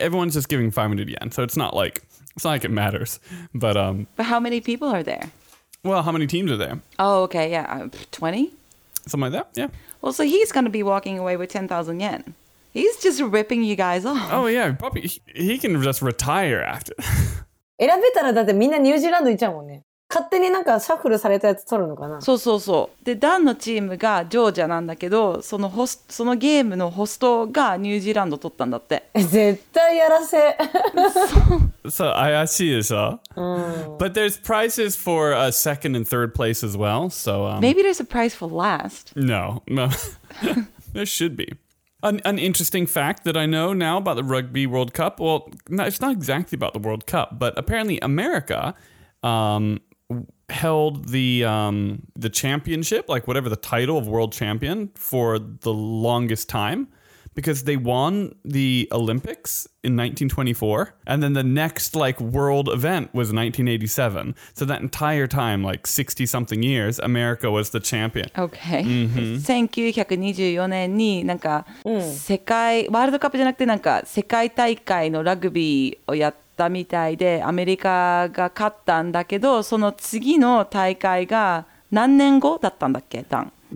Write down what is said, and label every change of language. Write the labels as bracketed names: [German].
[English] Everyone's just giving 500 yen, so it's not like it matters. But how many people are there? Well, how many teams are there? Oh, okay, yeah, 20. Something like that. Yeah. Well, so he's gonna be walking away with 10,000 yen. He's just ripping you guys off. Oh yeah, probably he can just retire after. [Japanese] 選べたらだってみんなニュージーランド行っちゃうもんね。勝手になんかシャッフルされたやつ取るのかな。そうそうそう。でダンのチームがジョージアなんだけど、そのゲームのホストがニュージーランド取ったんだって。絶対やらせ。そう怪しいでしょ。 [English] But there's prices for a second and third place as well. So maybe there's a price for last. No, there should be. An interesting fact that I know now about the Rugby World Cup. Well, no, it's not exactly about the World Cup, but apparently America held the championship, like whatever the title of world champion, for the longest time because they won the Olympics in 1924. And then the next like world event was 1987. So that entire time, like 60 something years, America was the champion. Okay. Mm-hmm. [Japanese] 1924年になんか世界、ワールドカップじゃなくてなんか世界大会のラグビーをやったみたいで、アメリカが勝ったんだけど、その次の大会が何年後だったんだっけ、ダン。